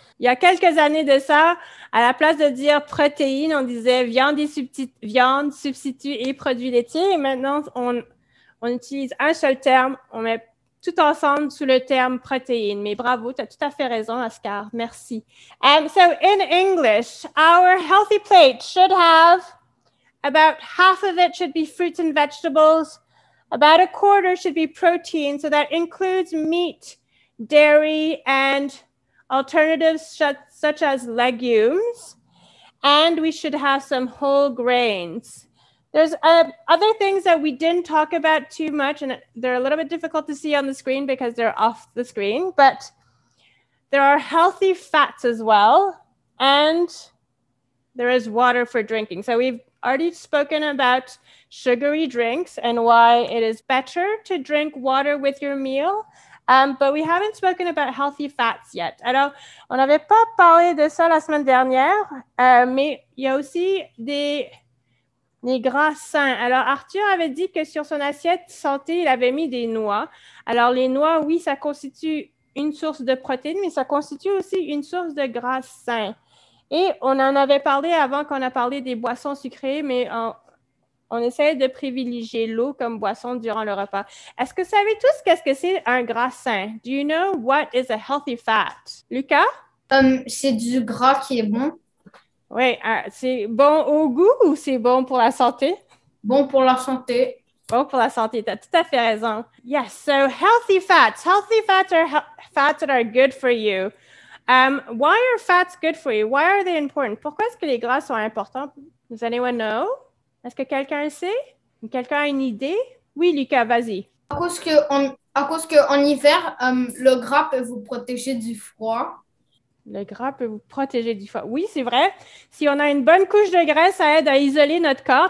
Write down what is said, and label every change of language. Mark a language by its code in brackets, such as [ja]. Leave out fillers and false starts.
[fr] Il y a quelques années de ça, à la place de dire protéines, on disait viande, substituts et produits laitiers. Et maintenant, on utilise un seul terme, on met tout ensemble sous le terme protéine. Mais bravo, tu as tout à fait raison, Oscar. Merci. [en] So, in English, our healthy plate should have about half of it should be fruits and vegetables. About a quarter should be protein. So, that includes meat, dairy, and alternatives such as legumes. And we should have some whole grains. There's other things that we didn't talk about too much, and they're a little bit difficult to see on the screen because they're off the screen, but there are healthy fats as well, and there is water for drinking. So we've already spoken about sugary drinks and why it is better to drink water with your meal, but we haven't spoken about healthy fats yet. [fr] Alors, on n'avait pas parlé de ça la semaine dernière, mais il y a aussi des gras sains. Alors, Arthur avait dit que sur son assiette santé, il avait mis des noix. Alors, les noix, oui, ça constitue une source de protéines, mais ça constitue aussi une source de gras sains. Et on en avait parlé avant qu'on a parlé des boissons sucrées, mais on essaie de privilégier l'eau comme boisson durant le repas. Est-ce que vous savez tous qu'est-ce que c'est un gras sain? [en] Do you know what is a healthy fat? Lucas? [fr] C'est du gras qui est bon. Oui, c'est bon au goût ou c'est bon pour la santé? Bon pour la santé. Bon pour la santé, tu as tout à fait raison. [en] Yes, so healthy fats. Healthy fats are fats that are good for you. Why are fats good for you? Why are they important? [fr] Pourquoi est-ce que les gras sont importants? [en] Does anyone know? [fr] Est-ce que quelqu'un sait? Quelqu'un a une idée? Oui, Lucas, vas-y. À cause qu'en hiver, le gras peut vous protéger du froid. Le gras peut vous protéger du froid. Oui, c'est vrai. Si on a une bonne couche de graisse, ça aide à isoler notre corps.